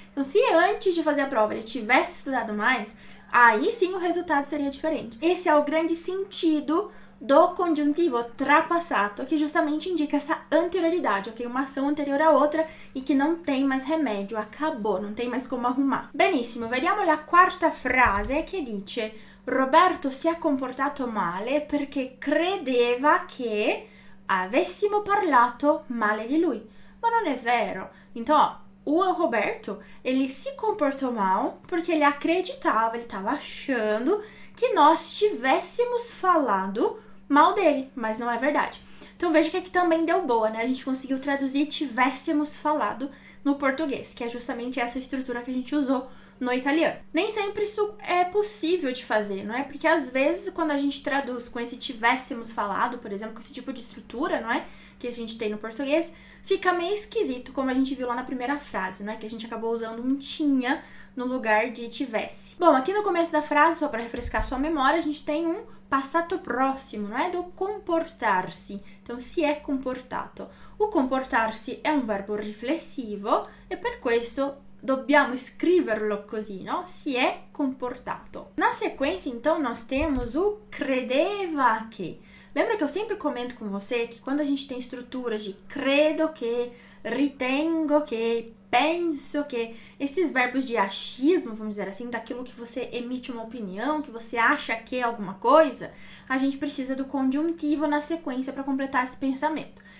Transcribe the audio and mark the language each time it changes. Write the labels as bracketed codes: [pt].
[pt] Então, se antes de fazer a prova ele tivesse estudado mais, aí sim o resultado seria diferente. Esse é o grande sentido do conjuntivo trapassato, que justamente indica essa anterioridade, ok? Uma ação anterior à outra e que não tem mais remédio, acabou, não tem mais como arrumar. [it] Benissimo, vediamo la quarta frase che dice: Roberto si è comportato male perché credeva che avessimo parlato male di lui. Ma non è vero. [pt] Então, ó, O Roberto, ele se comportou mal porque ele acreditava, ele estava achando que nós tivéssemos falado mal dele, mas não é verdade. Então veja que aqui também deu boa, né? A gente conseguiu traduzir tivéssemos falado no português, que é justamente essa estrutura que a gente usou no italiano. Nem sempre isso é possível de fazer, não é? Porque às vezes quando a gente traduz com esse tivéssemos falado, por exemplo, com esse tipo de estrutura, não é? Que a gente tem no português, fica meio esquisito, como a gente viu lá na primeira frase, não é? Que a gente acabou usando um tinha no lugar de tivesse. Bom, aqui no começo da frase, só para refrescar sua memória, a gente tem um passato próximo, não é? Do comportar-se. Então, [it] si è comportato. O comportarsi è un verbo riflessivo e per questo dobbiamo scriverlo così, no? Si è comportato. [pt] Na sequência, então, nós temos o credeva che. Lembra que eu sempre comento com você que quando a gente tem estrutura de [it] credo che, ritengo che, penso che, [pt] esses verbos de achismo, vamos dizer assim, daquilo que você emite uma opinião, que você acha que é alguma coisa, a gente precisa do conjuntivo na sequência para completar esse pensamento.